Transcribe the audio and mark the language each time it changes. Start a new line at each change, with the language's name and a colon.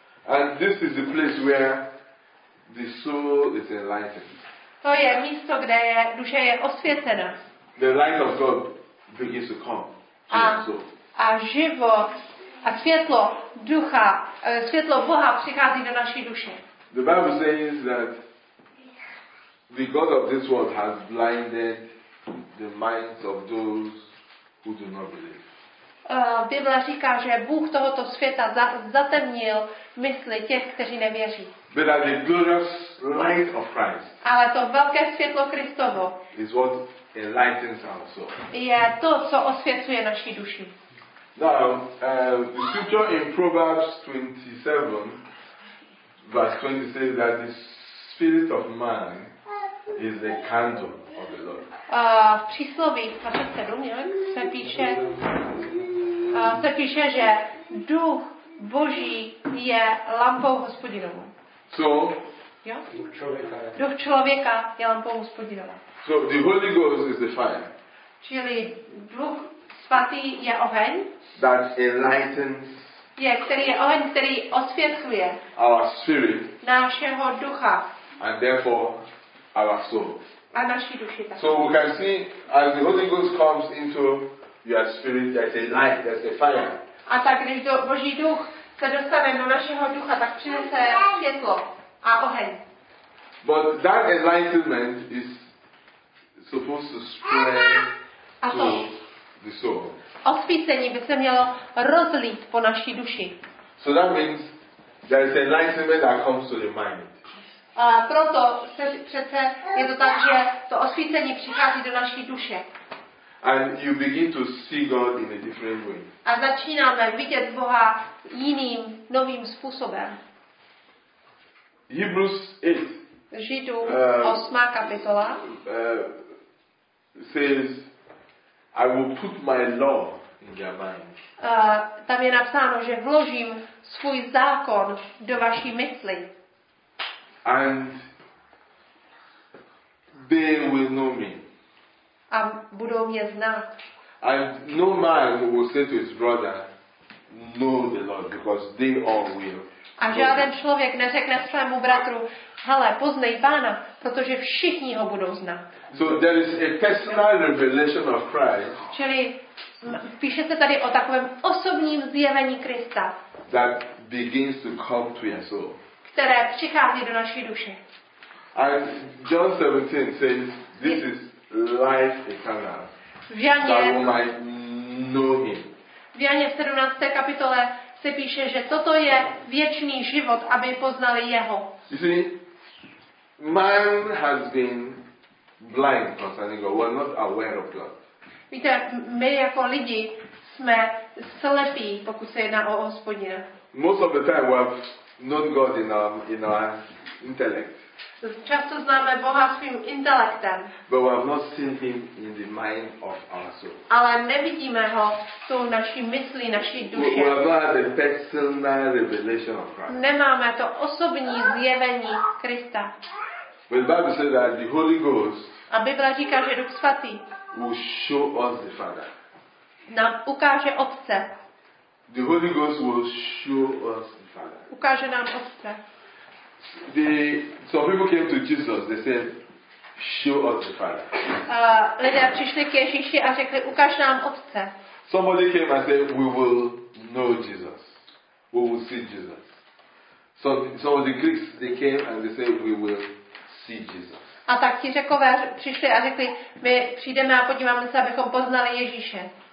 English: And this is the place where the soul is enlightened.
Czech: To je místo, kde je duše je osvěcena.
English: The light of God begins to come to the soul.
Czech: A život a světlo ducha, světlo Boha přichází do naší duše.
English: The Bible says that the God of this world has blinded the minds of those who do not believe.
Czech: Bible říká, že Bůh tohoto světa zatemnil mysli těch, kteří nevěří.
English: But that the glorious light of Christ.
Czech: Ale to velké světlo Kristovo.
English: Is what enlightens our soul.
Czech: Je to, co osvěcuje naši duši.
English: Now, the scripture in Proverbs 27, verse 20 says that the spirit of man is the candle of the Lord.
Czech: V přísloví 27, se píše. Se píše, že duch Boží je lampou Hospodinovou.
English: So,
Czech: duch člověka je lampou Hospodinovou.
English: So the Holy Ghost is the fire.
Czech: Čili duch svatý je oheň.
English: That enlightens.
Czech: Je, který je oheň, který osvětluje.
English: Our spirit.
Czech: Našeho ducha.
English: And therefore our soul.
Czech: A naši duši taky.
English: So we can see as the Holy Ghost comes into your spirit, there's a light, there's a fire.
Czech: A tak když Boží duch se dostane do našeho ducha, tak přinese světlo a oheň.
English: But that enlightenment is supposed to spread to the soul.
Czech: Osvícení by se mělo rozlít po naší duši.
English: So that means there is enlightenment that comes to the mind.
Czech: A proto se přece je to tak, že to osvícení přichází do naší duše.
English: And you begin to see God in a different way.
Czech: A začínáme vidět Boha jiným, novým způsobem.
English: Hebrews 8.
Czech: Židů 8. kapitola.
English: Says, I will put my law in your mind.
Czech: Tam je napsáno, že vložím svůj zákon do vaší mysli.
English: And they will know me.
Czech: A budou mě znát.
English: And no man will say to his brother, know the Lord, because they all will.
Czech: A žádný člověk neřekne svému bratru, hele, poznej Pána, protože všichni ho budou znát.
English: So there is a personal revelation of Christ.
Czech: Čili píše se tady o takovém osobním zjevení Krista.
English: That begins to come to your soul.
Czech: Které přichází do naší duše.
English: And John 17 says, This is life eternal.
Czech: V Janě, v Janě v 17. kapitole se píše, že toto je věčný život, aby poznali jeho.
English: You see, man has been blind concerning God. We're not aware of God.
Czech: Víte, my jako lidi jsme slepí, pokud se jedná o Hospodina.
English: Most of the time we have known God in our intellect.
Czech: Často známe Boha svým intelektem.
English: But we have not seen him in the mind of our soul.
Czech: Ale nevidíme ho tou naší myslí, naší duši.
English: We have not had a personal revelation of Christ.
Czech: Nemáme to osobní zjevení Krista.
English: But the Bible says that the Holy Ghost.
Czech: A Bible říká, že Duch Svatý.
English: Will show us the Father.
Czech: Nám ukáže Otce.
English: The Holy Ghost will show us the Father.
Czech: Ukáže nám Otce.
English: Some people came to Jesus. They said, "Show us the Father."
Czech: Lidé přišli k Ježíši a řekli, ukáž nám Otce.
English: Somebody came and said, "We will know Jesus. We will see Jesus." Some of the Greeks they came and they said, "We will see Jesus."
Czech: A tak ti Řekové přišli a řekli, my přijdeme a podíváme se, abychom poznali Ježíše.